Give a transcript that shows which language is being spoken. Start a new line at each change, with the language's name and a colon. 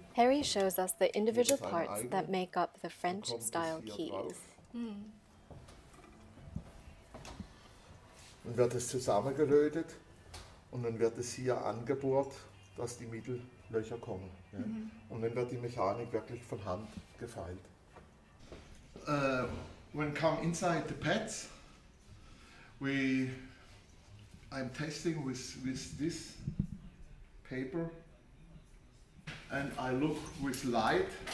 English: Harry shows us the individual parts that make up the French style keys.
German: Dann wird es zusammengelötet und dann wird es hier angebohrt, dass die Mittellöcher kommen. Ja? Mm-hmm. Und dann wird die Mechanik wirklich von Hand gefeilt.
English: When come inside the pads, I'm testing with this paper, and I look with light.